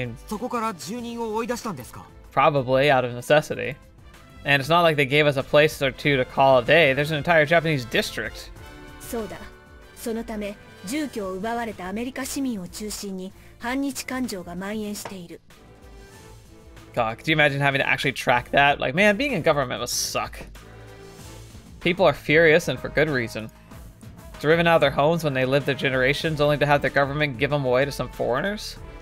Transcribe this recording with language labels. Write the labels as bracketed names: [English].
[English] Probably out of necessity. And it's not like they gave us a place or two to call a day. There's an entire Japanese district. [Japanese] そうだ。そのため、住居を奪われたアメリカ市民を中心に反日感情が蔓延している。 [English] God, could you imagine having to actually track that? Like, man, being in government must suck. People are furious, and for good reason. Driven out of their homes when they lived their generations, only to have their government give them away to some foreigners?